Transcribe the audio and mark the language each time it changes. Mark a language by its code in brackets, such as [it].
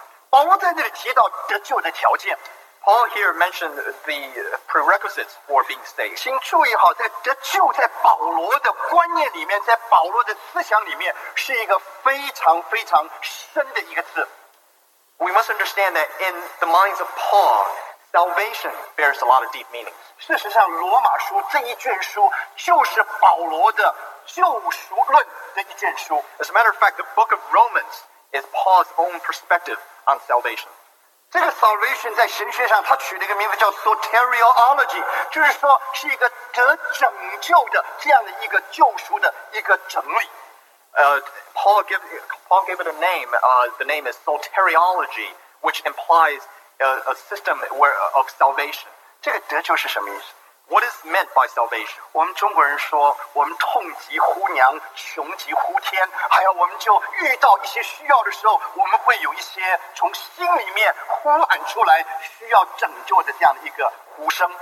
[zh] 保罗在那里提到得救的条件。 [en] Paul here mentioned the prerequisites for being saved. [zh] 请注意好，在得救在保罗的观念里面，在保罗的思想里面，是一个非常非常深的一个字。 [en] We must understand that in the minds of Paul, salvation bears a lot of deep meanings. [zh] 事实上，罗马书这一卷书就是保罗的救赎论的一卷书。 [en] As a matter of fact, the book of Romans is Paul's own perspective on salvation. [zh] 这个 salvation 在神学上，它取了一个名字叫 soteriology， 就是说是一个得拯救的这样的一个救赎的一个整理。 [en] Paul gave it a name. The name is soteriology, which implies a system of salvation. [zh] 这个得救是什么意思 [en] What is meant by salvation? [zh] 我们中国人说，我们痛疾呼娘，穷疾呼天。还有，我们就遇到一些需要的时候，我们会有一些从心里面呼喊出来需要拯救的这样的一个呼声。